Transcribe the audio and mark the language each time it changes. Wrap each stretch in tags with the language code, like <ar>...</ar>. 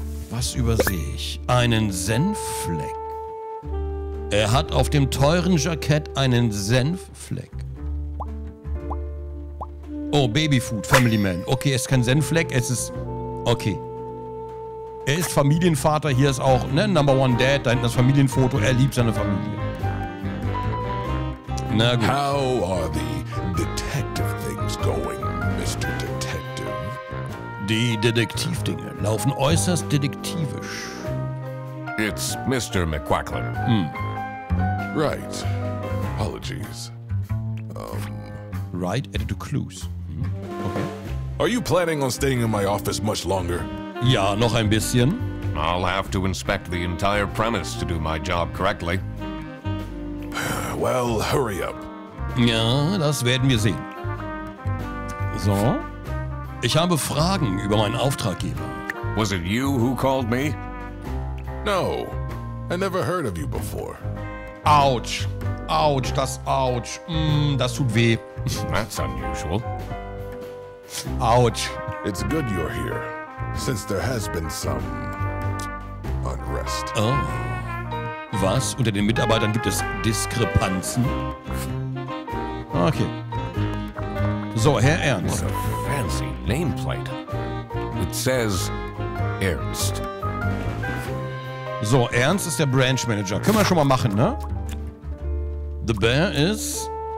<de>Was übersehe ich? Einen Senffleck. Er hat auf dem teuren Jackett einen Senffleck. Oh, Babyfood, Family Man. Okay, es ist kein Senffleck, es ist... Okay. Er ist Familienvater, hier ist auch, ne, Number One Dad, da hinten das Familienfoto, er liebt seine Familie. Na gut.</de> <en>How are the detective things going, Mr. Detective?</en> <de>Die Detektivdinge laufen äußerst detektivisch.</de> <en>It's Mr. McQuacklin. Hm. Right. Apologies. Right, edit to clues. Hm. Okay. Are you planning on staying in my office much longer?</en> <de>Ja, noch ein bisschen.</de> <en>I'll have to inspect the entire premise to do my job correctly. Well, hurry up.</en> <de>Ja, das werden wir sehen. So. Ich habe Fragen über meinen Auftraggeber.</de> <en>Was it you who called me? No. I never heard of you before.</en> <de>Ouch. Ouch, das Ouch. Mm, das tut weh.</de> <en>That's unusual. Ouch. It's good you're here. Since there has been some unrest.</en> <de>Oh. Was? Unter den Mitarbeitern gibt es Diskrepanzen? Okay. So, Herr Ernst.</de> <en>What a fancy nameplate. It says Ernst.</en> <de>So, Ernst ist der Branch Manager. Können wir schon mal machen, ne?</de> <en>The bear is...</en>